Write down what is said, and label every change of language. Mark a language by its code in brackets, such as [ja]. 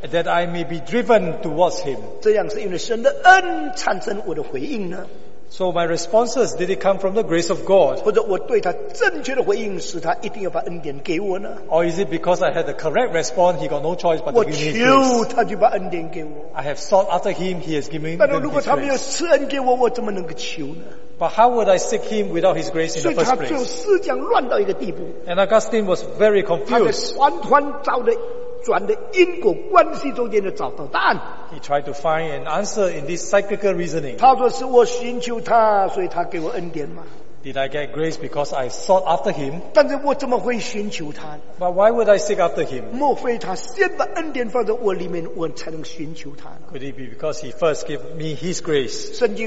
[en] That I may be driven towards him. [zh] 这样是因为神的恩产生我的回应呢？ [en] So my responses, did it come from the grace of God? [zh] 或者我对他正确的回应，使他一定要把恩典给我呢？ [en] Or is it because I had the correct response, he got no choice but to give me his grace? [zh] 我求他就把恩典给我。 [en] I have sought after him, he has given me his grace. [zh] 但如果他没有施恩给我，我怎么能够求呢？ [en] But how would I seek him without his grace in the first place? [zh] 所以他就思想乱到一个地步。 [en] And Augustine was very confused. [zh] 他在团团转的因果关系中间找到答案。 [en] He tried to find an answer in this cyclical reasoning. [zh] 他说是我寻求他，所以他给我恩典嘛。 [en] Did I get grace because I sought after him? [zh] 但是我怎么会寻求他？ [en] But why would I seek after him? [zh] 莫非他先把恩典放在我里面，我才能寻求他？ [en] Could it be because he first gave me his grace?